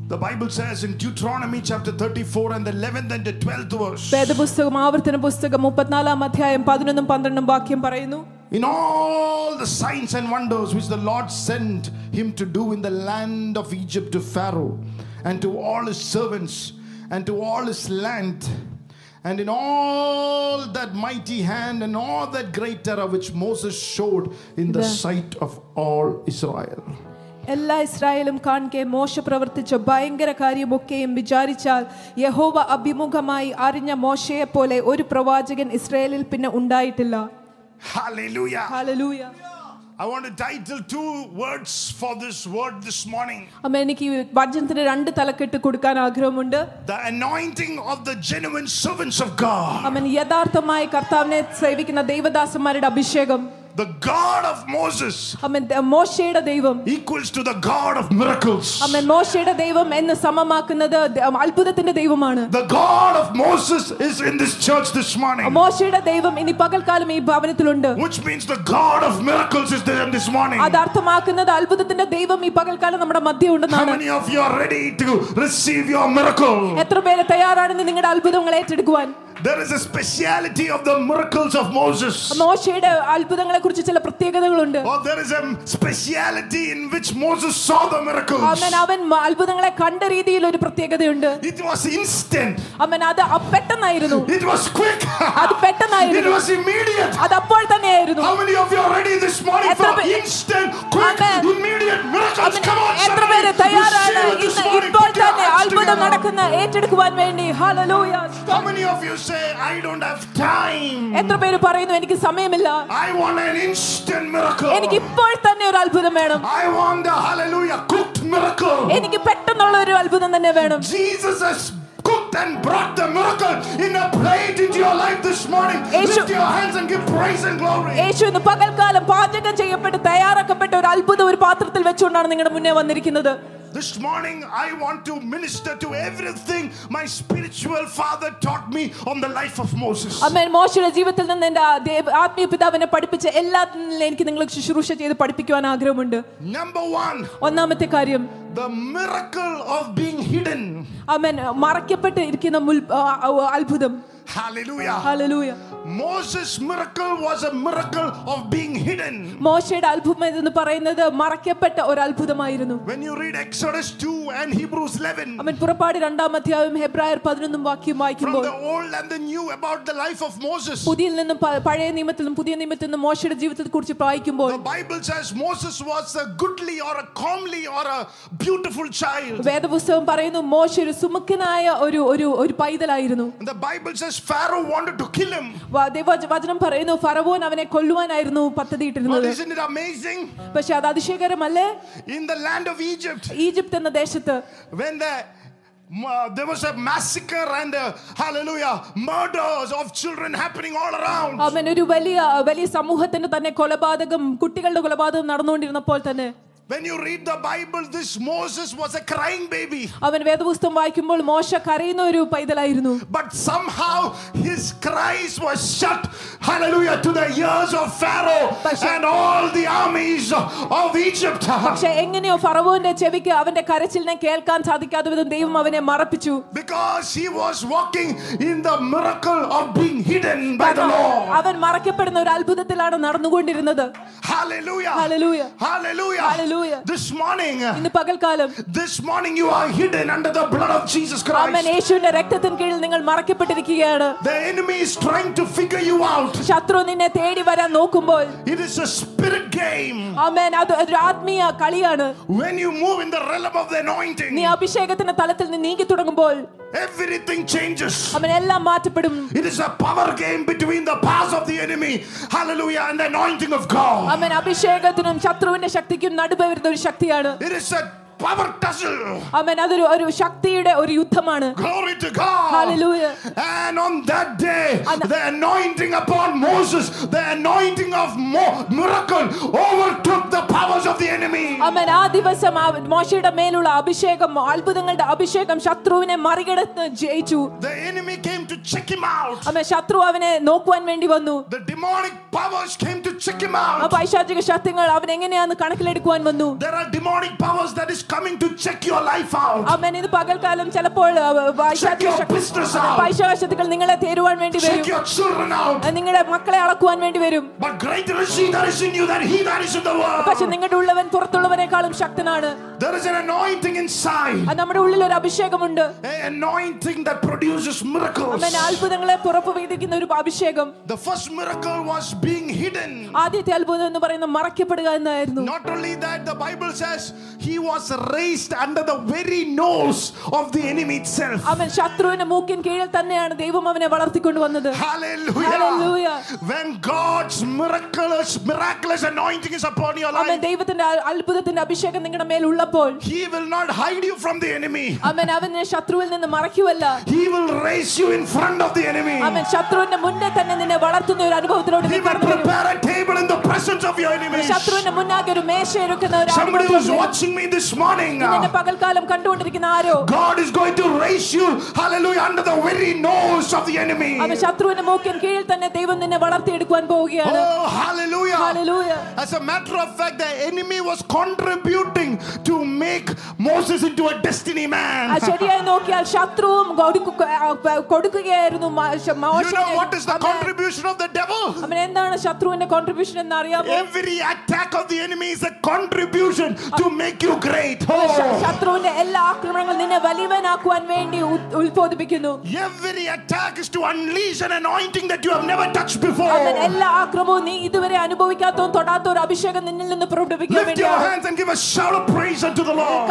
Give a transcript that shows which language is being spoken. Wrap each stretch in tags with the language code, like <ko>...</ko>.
<en>The Bible says in Deuteronomy chapter 34 and the 11th and the 12th verse.</en> <ml>വേദപുസ്തകം ആവർത്തന പുസ്തകം 34ാം അധ്യായം 11ഉം 12ഉം വാക്യം പറയുന്നു.</ml> <en>In all the signs and wonders which the Lord sent him to do in the land of Egypt to Pharaoh and to all his servants and to all his land and in all that mighty hand and all that great terror which Moses showed in the sight of all Israel.</en> <ml>എല്ലാ ഇസ്രായേലും കാണെ മോശ പ്രവർത്തിച്ച ഭയങ്കര കാര്യമൊക്കെയും വിചാരിച്ചാൽ യഹോവ അഭിമുഖമായി അറിഞ്ഞ മോശയെ പോലെ ഒരു പ്രവാചകൻ ഇസ്രായേലിൽ പിന്നെ ഉണ്ടായിട്ടില്ല.</ml> <en>Hallelujah. Hallelujah. I want to title two words for this word this morning.</en> <ml>അമേനിക്കി വചനത്തിന് രണ്ട് തലക്കെട്ട് കൊടുക്കാൻ ആഗ്രഹമുണ്ട്.</ml> <en>The anointing of the genuine servants of God.</en> <ml>Amini യഥാർത്ഥമായി കർത്താവിനെ സേവിക്കുന്ന ദൈവദാസന്മാരുടെ അഭിഷേകം.</ml> <en>The God of Moses.</en> <ml>അമേൻ മോശയുടെ ദൈവം.</ml> <en>Equals to the God of miracles.</en> <ml>അമേൻ മോശയുടെ ദൈവം എന്ന് സമമാക്കുന്നത് അത്ഭുതത്തിന്റെ ദൈവമാണ്.</ml> <en>The God of Moses is in this church this morning.</en> <ml>മോശയുടെ ദൈവം ഇനി പകൽക്കാലം ഈ ഭവനത്തിലുണ്ട്.</ml> <en>Which means the God of miracles is there this morning.</en> <ml>അതർത്ഥമാക്കുന്നത് അത്ഭുതത്തിന്റെ ദൈവം ഈ പകൽക്കാലം നമ്മുടെ മധ്യയുണ്ടെന്നാണ്.</ml> <en>How many of you are ready to receive your miracle?</en> <ml>എത്ര പേര് തയ്യാറാണ് നിങ്ങളുടെ അത്ഭുതങ്ങൾ ഏറ്റെടുക്കാൻ?</ml> <en>There is a speciality of the miracles of Moses.</en> <ml>മോശയുടെ അത്ഭുതങ്ങളെ കുറിച്ച് ചില പ്രത്യേകതകളുണ്ട്.</ml> <en>Oh, there is a speciality in which Moses saw the miracles.</en> <ml>അമേൻ അവൻ അത്ഭുതങ്ങളെ കണ്ട രീതിയിൽ ഒരു പ്രത്യേകതയുണ്ട്.</ml> <en>It was instant.</en> <ml>അമേൻ അത് പെട്ടെന്നായിരുന്നു.</ml> <en>It was quick.</en> <ml>അത് പെട്ടെന്നായിരുന്നു.</ml> <en>It was immediate.</en> <ml>അത് അപ്പോൾ തന്നെയായിരുന്നു.</ml> <en>How many of you are ready this morning for instant, quick, immediate miracles? Come on.</en> <ml>എത്ര പേര് തയ്യാറാണ് ഇപ്പോൾ തന്നെ അത്ഭുതം നടക്കുന്ന ഏറ്റെടുക്കാൻ വേണ്ടി?</ml> <en>Hallelujah. How many of you say I don't have time?</en> <ml>എത്ര പേര് പറയുന്നു എനിക്ക് സമയമില്ല?</ml> <en>I want an instant miracle.</en> <ml>എനിക്ക് ഇപ്പോൾ തന്നെ ഒരു അത്ഭുതം വേണം.</ml> <en>I want a hallelujah cooked miracle.</en> <ml>എനിക്ക് പെട്ടെന്നുള്ള ഒരു അത്ഭുതം തന്നെ വേണം.</ml> <en>Jesus has cooked and brought the miracle in a plate into your life this morning. Lift your hands and give praise and glory.</en> <ml>യേശു ഇന്ന് പകൽക്കാലം പാചകം ചെയ്യപ്പെട്ട് തയ്യാറാക്കപ്പെട്ട ഒരു അത്ഭുതം ഒരു പാത്രത്തിൽ വെച്ചുകൊണ്ടാണ് നിങ്ങളുടെ മുന്നേ വന്നിരിക്കുന്നത്.</ml> <en>This morning I want to minister to everything my spiritual father taught me on the life of Moses. Amen.</en> <ml>മോശയുടെ ജീവിതത്തിൽ നിന്ന് എൻ്റെ ആത്മീയ പിതാവിനെ പഠിപ്പിച്ച എല്ലാത്തിനും എനിക്ക് നിങ്ങളെ ശുശ്രൂഷ ചെയ്ത് പഠിപ്പിക്കുവാൻ ആഗ്രഹമുണ്ട്.</ml> <en>Number 1.</en> <ml>ഒന്നാമത്തെ കാര്യം.</ml> <en>The miracle of being hidden.</en> <ml>Amen. മറയ്ക്കപ്പെട്ടിരിക്കുന്ന അത്ഭുതം.</ml> <en>Hallelujah. Hallelujah. Moses miracle was a miracle of being hidden.</en> <ml>മോശയുടെ അത്ഭുതം എന്ന് പറയുന്നത് മറയ്ക്കപ്പെട്ട ഒരു അത്ഭുതമായിരുന്നു.</ml> <en>When you read Exodus 2 and Hebrews 11.</en> <ml>അമേൻ പുറപ്പാട് രണ്ടാം അധ്യായം ഹെബ്രായർ 11 വാക്യം വായിക്കുമ്പോൾ.</ml> <en>From the old and the new about the life of Moses.</en> <ml>പുതിയ നിയമത്തിലും പഴയ നിയമത്തിലും പുതിയ നിയമത്തിലും മോശയുടെ ജീവിതത്തെക്കുറിച്ച് വായിക്കുമ്പോൾ.</ml> <en>The Bible says Moses was a goodly or a comely or a beautiful child.</en> <ml>വേദപുസ്തകം പറയുന്നു മോശ ഒരു സുമുഖനായ ഒരു ഒരു ഒരു പൈതലായിരുന്നു.</ml> <en>The Bible says Pharaoh wanted to kill him.</en> <ml>വചനം പറയുന്നു ഫറവോൻ അവനെ കൊല്ലുവാനായിരുന്നു പദ്ധതിയിട്ടിരുന്നത്. പക്ഷേ അത് അതിശയകരമല്ലേ?</ml> <en>In the land of Egypt.</en> <ml>Egypt എന്ന ദേശത്ത്</ml> <en>when the there was a massacre and hallelujah murders of children happening all around.</en> <ml>അവനെ ഒരു വലിയ വലിയ സമൂഹത്തിന്റെ തന്നെ കൊലപാതകം കുട്ടികളുടെ കൊലപാതകം നടന്നുകൊണ്ടിരുന്നപ്പോൾ തന്നെ.</ml> <en>When you read the Bible, this Moses was a crying baby.</en> <ml>അവൻ വേദപുസ്തകം വായിക്കുമ്പോൾ മോശ കരയുന്ന ഒരു പൈതലായിരുന്നു.</ml> <en>But somehow his cries was shut, hallelujah, to the ears of Pharaoh and all the armies of Egypt.</en> <ml>പക്ഷേ എങ്ങനെയോ ഫറവോന്റെ ചെവിക്ക് അവന്റെ കരച്ചിലിനെ കേൾക്കാൻ സാധിക്കാതെ വിധം ദൈവം അവനെ മറപ്പിച്ചു.</ml> <en>Because he was walking in the miracle of being hidden by the Lord.</en> <ml>അവൻ മറയ്ക്കപ്പെടുന്ന ഒരു അത്ഭുതത്തിലാണ് നടന്നുകൊണ്ടിരുന്നത്.</ml> <en>Hallelujah. Hallelujah. Hallelujah. Hallelujah. This morning.</en> <ml>ഇന്ന് പകൽക്കാലം.</ml> <en>This morning you are hidden under the blood of Jesus Christ.</en> <ml>അമേൻ യേശുവിന്റെ രക്തത്തിന് കീഴിൽ നിങ്ങൾ മറയ്ക്കപ്പെട്ടിരിക്കുകയാണ്.</ml> <en>The enemy is trying to figure you out.</en> <ml>ശത്രു നിന്നെ തേടി വരാൻ നോക്കുമ്പോൾ.</ml> <en>It is a spirit game.</en> <ml>അമേൻ അത് ഒരു ആത്മീയ കളിയാണ്.</ml> <en>When you move in the realm of the anointing.</en> <ml>നീ അഭിഷേകത്തിന്റെ തലത്തിൽ നിന്ന് നീങ്ങി തുടങ്ങുമ്പോൾ.</ml> <en>Everything changes.</en> <ml>അമേൻ എല്ലാം മാറ്റപ്പെടും.</ml> <en>It is a power game between the powers of the enemy. Hallelujah and the anointing of God.</en> <ml>അമേൻ അഭിഷേകത്തിനും ശത്രുവിന്റെ ശക്തിക്കും നടുവേ വരുന്ന ഒരു ശക്തിയാണ്.</ml> <en>It is a power tussle.</en> <ml>അമേൻ അതൊരു ഒരു ശക്തിയുടെ ഒരു യുദ്ധമാണ്.</ml> <en>Glory to God. Hallelujah. And on that day the anointing upon Moses, the anointing of miracle overtook the powers of the enemy.</en> <ml>അമേൻ ആ ദിവസം മോശയുടെ മേലുള്ള അഭിഷേകം അത്ഭുതങ്ങളുടെ അഭിഷേകം ശത്രുവിനെ മറികടന്ന് ജയിച്ചു.</ml> <en>The enemy came to check him out.</en> <ml>അമ്മ ശത്രു അവനെ നോക്കുവാൻ വേണ്ടി വന്നു.</ml> <en>The demonic powers came to check him out.</en> <ml>ആ പൈശാചിക ശക്തികൾ അവനെ എങ്ങനെയാണ് കണക്കിലെടുക്കുവാൻ വന്നു.</ml> <en>There are demonic powers that is coming to check your life out.</en> <ml>അമ്മ ഇന്ന് പകൽക്കാലം ചിലപ്പോൾ പൈശാചിക ശക്തികൾ പൈശാചിക ശക്തികൾ നിങ്ങളെ തേരുവാൻ വേണ്ടി വരും.</ml> <en>Check your children out.</en> <ml>നിങ്ങളെ മക്കളെ അളക്കുവാൻ വേണ്ടി വരും.</ml> <en>But greater is he that is in you than he that is in the world.</en> <ml>പക്ഷേ നിങ്ങളുടെ ഉള്ളവൻ പുറത്തുള്ളവനേക്കാളും ശക്തനാണ്.</ml> <en>There is an anointing inside.</en> <ml>നമ്മുടെ ഉള്ളിൽ ഒരു അഭിഷേകം ഉണ്ട്.</ml> <en>An anointing that produces miracles.</en> <ml>അമ്മ അത്ഭുതങ്ങളെ പുറപ്പെടുവിക്കുന്ന ഒരു അഭിഷേകം.</ml> <en>The first miracle was being hidden.</en> <ml>ആദ്യത്തെ അത്ഭുതം എന്ന് പറയുന്നത് മറയ്ക്കപ്പെടുക എന്നായിരുന്നു.</ml> <en>Not only that, the Bible says he was raised under the very nose of the enemy itself.</en> <ml>അമ്മ ശത്രുവിന്റെ മൂക്കിൻ കീഴിൽ തന്നെയാണ് ദൈവം അവനെ വളർത്തിക്കൊണ്ടുവന്നത്.</ml> <en>Hallelujah. Hallelujah. When God's miraculous anointing is upon your life.</en> <ml>അമ്മ ദൈവത്തിന്റെ അത്ഭുതത്തിന്റെ അഭിഷേകം നിങ്ങളുടെ മേൽ ഉള്ളപ്പോൾ</ml> <en>he will not hide you from the enemy.</en> <ml>അമ്മ അവനെ ശത്രുവിൽ നിന്ന് മറയ്ക്കുവല്ല.</ml> <en>He will raise you in front of the enemy.</en> <ml>അമ്മ ശത്രുവിന്റെ മുന്നേ തന്നെ നിന്നെ വളർത്തുന്ന ഒരു അനുഭവത്തിലൂടെ നീ കടന്നു പോകും.</ml> <en>Prepare a table in the presence of your enemies.</en> <ml>ശത്രുവിന്റെ മുന്നാകെ ഒരു മേശ ഇരിക്കുന്ന ഒരു അനുഭവത്തിലൂടെ.</ml> <en>Somebody who is watching me this morning.</en> <ml>നിന്നെ പകൽക്കാലം കണ്ടുകൊണ്ടിരിക്കുന്ന ആരോ.</ml> <en>God is going to raise you, hallelujah, under the very nose of the enemy.</en> <ml>അമ്മ ശത്രുവിന്റെ മൂക്കിൻ കീഴിൽ തന്നെ ദൈവം നിന്നെ വളർത്തിയെടുക്കാൻ പോവുകയാണ്.</ml> <en>Oh hallelujah. Hallelujah. As a matter of fact, the enemy was contributing to make Moses into a destiny man.</en> <ml>ശരിയായി നോക്കിയാൽ ശത്രുവും കൊടുക്കുകയായിരുന്നു.</ml> <en>You know what is the contribution of the devil?</en> <ml>അവൻ എന്താണ് ശത്രുവിന്റെ കോൺട്രിബ്യൂഷൻ എന്ന് അറിയാമോ?</ml> <en>Every attack of the enemy is a contribution to make you great.</en> <ml>ശത്രുവിന്റെ എല്ലാ ആക്രമണങ്ങളും നിന്നെ വലിയവനാക്കുവാൻ വേണ്ടി ഉത്പോദിപ്പിക്കുന്നു.</ml> <en>Every attack is to unleash an anointing that you have never touched before.</en> <ml>അവൻ എല്ലാ ആക്രമണവും നീ ഇതുവരെ അനുഭവിക്കാത്തതും തൊടാത്ത ഒരു അഭിഷേകം നിന്നിൽ നിന്ന് പ്രകടിപ്പിക്കാൻ വേണ്ടി.</ml> <en>Lift your hands and give a shout of praise unto the Lord.</en>